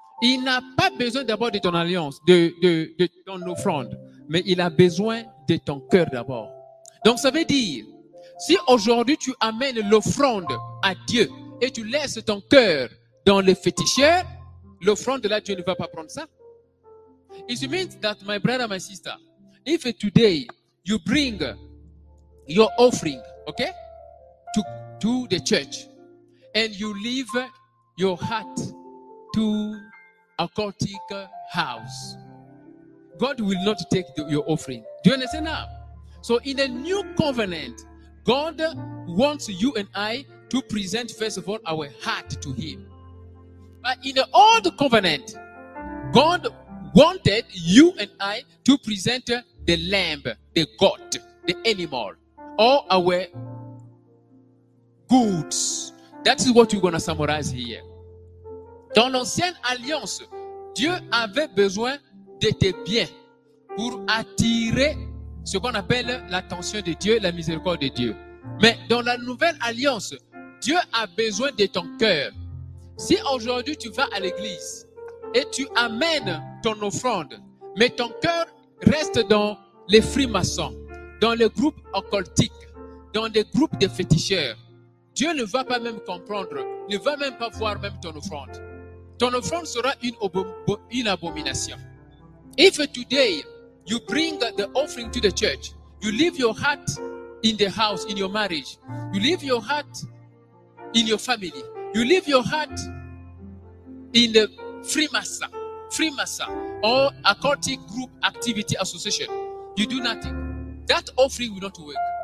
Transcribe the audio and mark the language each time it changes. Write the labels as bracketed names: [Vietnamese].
[French] Il n'a pas besoin d'abord de ton alliance, de ton offrande, mais il a besoin de ton cœur d'abord. Donc ça veut dire, si aujourd'hui tu amènes l'offrande à Dieu et tu laisses ton cœur dans le féticheur, l'offrande là, Dieu ne va pas prendre ça. [English] It means that my brother, my sister, if today you bring your offering, okay, to the church, and you leave your heart to a cultic house, God will not take your offering. Do you understand now? So in the new covenant, God wants you and I to present first of all our heart to Him. But in the old covenant, God wanted you and I to present the lamb, the goat, the animal, all our goods. That is what we're going to summarize here. [French] Dans l'ancienne alliance, Dieu avait besoin de tes biens pour attirer ce qu'on appelle l'attention de Dieu, la miséricorde de Dieu. Mais dans la nouvelle alliance, Dieu a besoin de ton cœur. Si aujourd'hui tu vas à l'église et tu amènes ton offrande, mais ton cœur reste dans les francs-maçons, dans les groupes occultiques, dans les groupes de féticheurs, Dieu ne va pas même comprendre, ne va même pas voir même ton offrande. Ton offrande sera une abomination. [English] If today you bring the offering to the church, you leave your heart in the house, in your marriage, you leave your heart in your family, you leave your heart in the Freemason or a cultic group activity association, you do nothing, that offering will not work.